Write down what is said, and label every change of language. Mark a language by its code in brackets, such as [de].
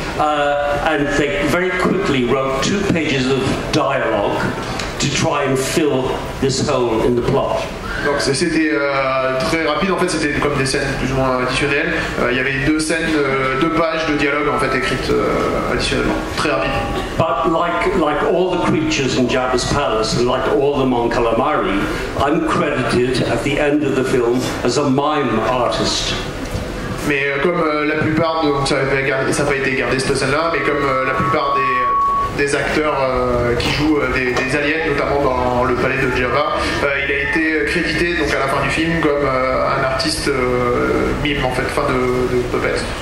[en] And they very quickly wrote two pages of dialogue to try and fill this hole in the plot. [fr] Donc c'était très rapide, en fait c'était comme des scènes plus ou moins additionnelles. Il y avait deux scènes, deux pages de dialogue en fait écrites additionnellement, très rapide. [en] But like all the creatures in Jabba's palace, and like all the Mon Calamari, I'm credited at the end of the film as a mime artist. [fr] Mais comme la plupart, donc ça n'a pas été gardé cette scène-là, mais comme la plupart des acteurs qui jouent des aliens, notamment dans le palais de Jabba, il a été crédité donc à la fin du film comme un artiste mime en fait, fin de puppet.